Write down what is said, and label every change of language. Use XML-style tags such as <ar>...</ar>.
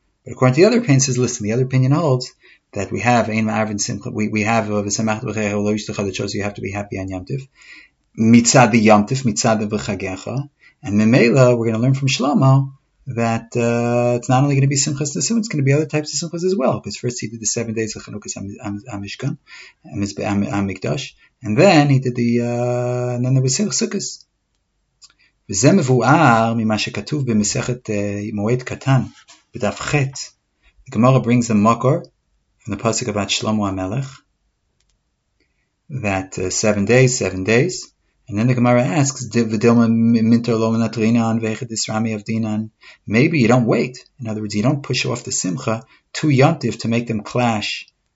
<en>But according to the other opinion, says, listen, the other opinion holds that we have ein ma'arvin simcha, we have v'samachta b'chagecha v'lo yishtecha that shows you have to be happy on Yom Tov, mitzad the Yom Tov, mitzad v'chagecha, and memela, we're going to learn from Shlomo that it's not only going to be simchas nesu'in, it's going to be other types of simchas as well, because first he did the 7 days of Chanukah HaMishkan, HaMikdash, And then he did the, and then there was Seder Sukkos.</en> <he>וזה מבואר ממה שכתוב במסכת מועד קטן, בדף ח'.</he> <en>The Gemara brings the Makor from the Pasuk about Shlomo HaMelech, that 7 days, 7 days. And then the Gemara asks,</en> <arc>V'dilma minter lo menatrinan ve'echad isrami avdinan.</arc> <en>Maybe you don't wait. In other words, you don't push off the Simcha to Yontif to make them clash.</en>